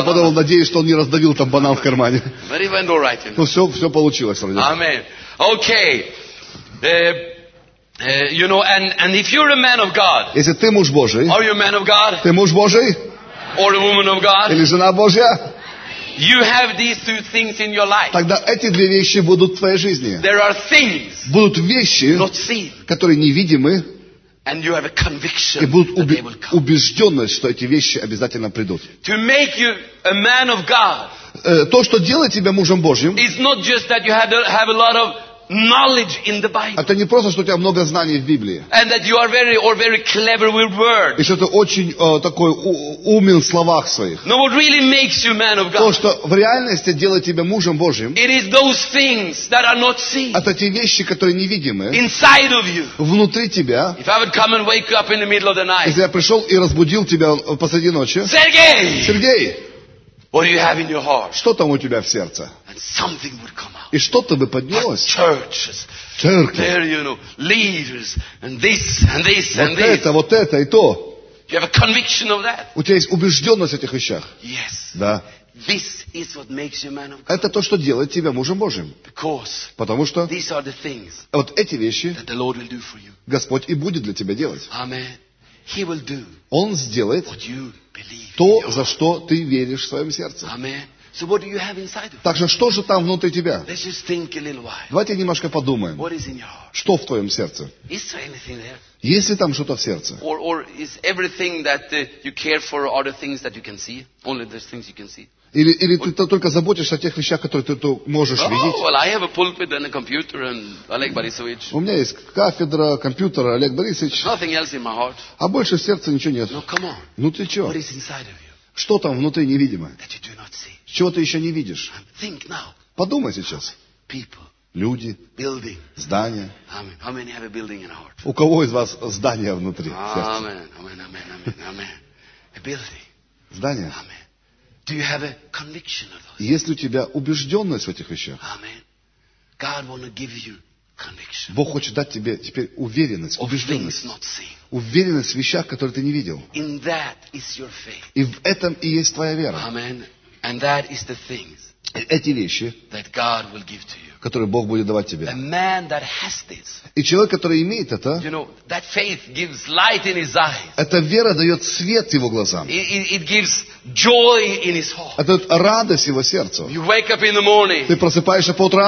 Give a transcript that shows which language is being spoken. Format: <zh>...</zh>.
<ru>Я подумал, надеюсь, что он не раздавил там банан в кармане.</ru> <en>But it went all right.</en> <ru>Ну все получилось вроде.</ru> <en>Amen. Okay. You know, and if you're a man of God.</en> <ru>Если ты муж Божий.</ru> <en>Are you a man of God?</en> <ru>Ты муж Божий?</ru> <en>Or a woman of God?</en> <ru>Или жена Божья?</ru> <en>You have these two things in your life.</en> <ru>Тогда эти две вещи будут в твоей жизни.</ru> <en>There are things.</en> <ru>Будут вещи,</ru> <en>not seen,</en> <ru>которые невидимы.</ru> <en>And you have a conviction.</en> <ru>И будут убежденность, что эти вещи обязательно придут.</ru> <en>To make you a man of God.</en> <ru>То, что делает тебя мужем Божьим.</ru> <en>It's not just that you have a lot of knowledge in the Bible.</en> <ru>Это не просто, что у тебя много знаний в Библии.</ru> <en>And that you are very or very clever with words.</en> <ru>И что ты очень такой умен в словах своих.</ru> <en>No, what really makes you man of God?</en> <ru>То, что в реальности делает тебя мужем Божьим.</ru> <en>It is those things that are not seen.</en> <ru>Это те вещи, которые невидимы.</ru> <en>Inside of you.</en> <ru>Внутри тебя.</ru> <en>If I would come and wake you up in the middle of the night.</en> <ru>Если я пришел и разбудил тебя посреди ночи. Сергей. Сергей.</ru> <en>What do you have in your heart?</en> <ru>Что там у тебя в сердце?</ru> <en>And something would come out.</en> <ru>И что-то бы поднялось.</ru> <en>Churches.</en> <ru>Церкви.</ru> <en>There, you know, leaders and this and this</en> <ru>вот</ru> <en>and this.</en> <ru>Вот это и то.</ru> <en>You have a conviction of that?</en> <ru>У тебя есть убежденность в этих вещах?</ru> <en>Yes.</en> <ru>Да.</ru> <en>This is what makes you man of God.</en> <ru>Это то, что делает тебя мужем Божьим.</ru> <en>Because.</en> <ru>Потому что.</ru> <en>These are the things.</en> <ru>Вот эти вещи.</ru> <en>That the Lord will do for you.</en> <ru>Господь и будет для тебя делать.</ru> <en>Amen. He will do.</en> <ru>Он сделает.</ru> <en>What you believe.</en> <ru>То, за что ты веришь в своем сердце.</ru> <en>Amen. So what do you have inside of you?</en> <ru>Так же, что же там внутри тебя?</ru> <en>Let's just think a little while.</en> <ru>Давайте немножко подумаем.</ru> <en>What is in your heart?</en> <ru>Что в твоем сердце?</ru> <en>Is there anything there?</en> <ru>Есть ли там что-то в сердце?</ru> <en>Or is everything that you care for are the things that you can see? Only the things you can see.</en> <ru>Или ты только заботишься о тех вещах, которые ты можешь видеть?</ru> <en>Well, I have a pulpit and a computer and Oleg Borisovich.</en> <ru>У меня есть кафедра, компьютер, Олег Борисович.</ru> <en>Nothing else in my heart.</en> <ru>А больше в сердце ничего нет.</ru> <en>No, come on.</en> <ru>Ну ты чё?</ru> <en>What is inside of you?</en> <ru>Что там внутри невидимо?</ru> <en>That you do not see.</en> <ru>Чего ты еще не видишь?</ru> <en>Think now.</en> <ru>Подумай сейчас.</ru> <en>People.</en> <ru>Люди.</ru> <en>Building.</en> <ru>Здания.</ru> <en>Amen. How many have a building in heart?</en> <ru>У кого из вас здание внутри?</ru> <en>Amen. Amen. Amen. Amen. Amen. A building.</en> <ru>Здание.</ru> <en>Amen. Do you have a conviction of those?</en> <ru>Есть ли у тебя убежденность в этих вещах?</ru> <en>Amen. God wanna give you conviction.</en> <ru>Бог хочет дать тебе теперь уверенность, убежденность.</ru> <en>Of things not seen.</en> <ru>Уверенность в вещах, которые ты не видел.</ru> <en>In that is your faith.</en> <ru>И в этом и есть твоя вера.</ru> <en>Amen. And that is the things.</en> <ru>Эти вещи,</ru> <en>that God will give to you.</en> <ru>Которые Бог будет давать тебе.</ru> <en>A man that has this.</en> <ru>И человек, который имеет это,</ru> <en>you know, that faith gives light in his eyes.</en> <ru>Эта вера дает свет его глазам.</ru> <en>It gives joy in his heart.</en> <ru>Это радость его сердцу.</ru> <en>You wake up in the morning.</en> <ru>Ты просыпаешься по утрам.</ru>